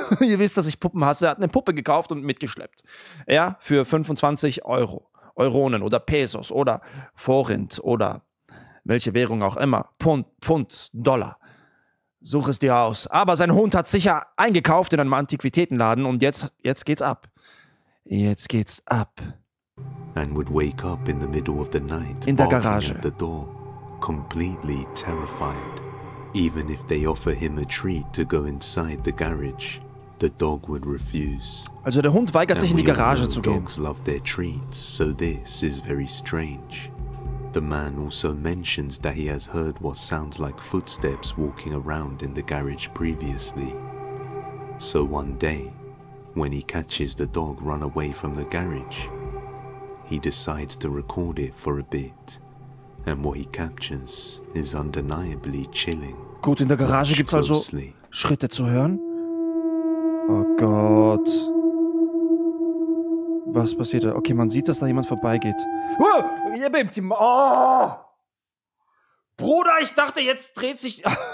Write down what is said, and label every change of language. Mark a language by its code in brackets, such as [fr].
[de] Ihr wisst, dass ich Puppen hasse. Er hat eine Puppe gekauft und mitgeschleppt. Ja, für 25 Euro. Euronen oder Pesos oder Forint oder welche Währung auch immer, Pfund, Dollar. Such es dir aus. Aber sein Hund hat sicher eingekauft in einem Antiquitätenladen und jetzt geht's ab. Jetzt geht's ab. [en] And would wake up in the middle of the night, [de] in der Garage, [en] at the door, completely terrified. Even if they offer him a treat to go inside the garage, the dog would refuse. [de] Also der Hund weigert sich, in die Garage zu gehen. [en] Dogs love their treats, so this is very strange. The man also mentions that he has heard what sounds like footsteps walking around in the garage previously. So one day, when he catches the dog run away from the garage, he decides to record it for a bit. And what he captures is undeniably chilling. [de] Gut, in der Garage gibt's also Schritte zu hören. Oh Gott. Was passiert da? Okay, man sieht, dass da jemand vorbeigeht. Bruder, ich dachte, jetzt dreht sich...